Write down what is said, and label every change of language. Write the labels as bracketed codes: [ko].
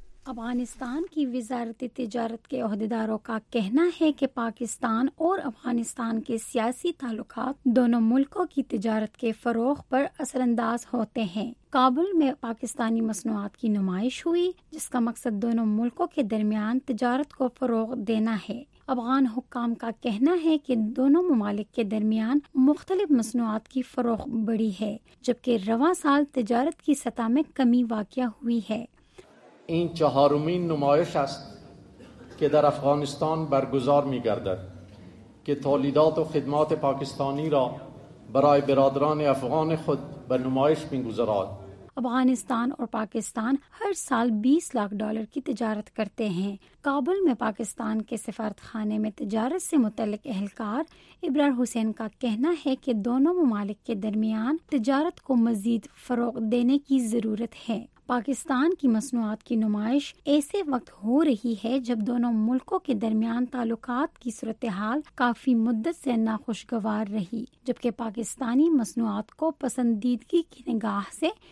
[ur] افغانستان کی وزارت تجارت کے عہدیداروں کا کہنا ہے کہ پاکستان اور افغانستان کے سیاسی تعلقات دونوں ملکوں کی تجارت کے فروغ پر اثر انداز ہوتے ہیں۔ کابل میں پاکستانی مصنوعات کی نمائش ہوئی جس کا مقصد دونوں ملکوں کے درمیان تجارت کو فروغ دینا ہے۔ افغان حکام کا کہنا ہے کہ دونوں ممالک کے درمیان مختلف مصنوعات کی فروغ بڑھی ہے، جبکہ رواں سال تجارت کی سطح میں کمی واقع ہوئی ہے۔ [fa] این چهارمین نمایش است که در افغانستان برگزار می گردد که تولیدات و خدمات پاکستانی را برای برادران افغان خود به نمایش می گذارد۔ [ur] افغانستان اور پاکستان ہر سال 20 لاکھ ڈالر کی تجارت کرتے ہیں۔ کابل میں پاکستان کے سفارت خانے میں تجارت سے متعلق اہلکار ابرار حسین کا کہنا ہے کہ دونوں ممالک کے درمیان تجارت کو مزید فروغ دینے کی ضرورت ہے۔ پاکستان کی مصنوعات کی نمائش ایسے وقت ہو رہی ہے جب دونوں ملکوں کے درمیان تعلقات کی صورتحال کافی مدت سے ناخوشگوار رہی، جبکہ پاکستانی مصنوعات کو پسندیدگی کی نگاہ سے